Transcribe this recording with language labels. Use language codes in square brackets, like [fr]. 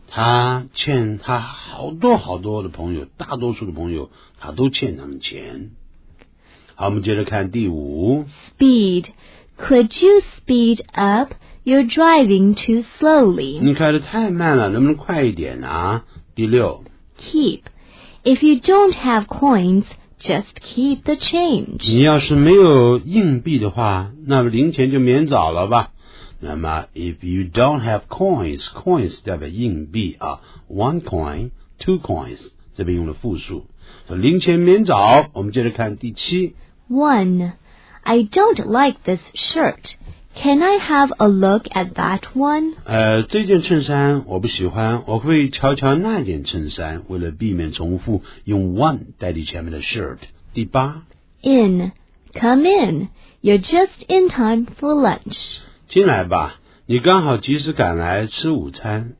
[zh] 他欠他好多好多的朋友，大多数的朋友他都欠他们钱。好，我们接着看第五。 [en] Speed. Could you speed up? You're driving too slowly. [zh] 你开得太慢了，能不能快一点啊？第六。 [en] Keep. If you don't have coins, just keep the change. [zh] 你要是没有硬币的话，那么零钱就免找了吧。那么 ， [en] if you don't have coins, coins [zh] 代表硬币啊 ， [en] one coin, two coins [zh] 这边用了复数，零钱免找。我们接着看第七。 [en] One. I don't like this shirt. Can I have a look at that one? [zh] 这件衬衫我不喜欢，我可以瞧瞧那件衬衫。为了避免重复，用 one 代替前面的 shirt。第八。 [en] In, come in. You're just in time for lunch. [zh] 进来吧，你刚好及时赶来吃午餐。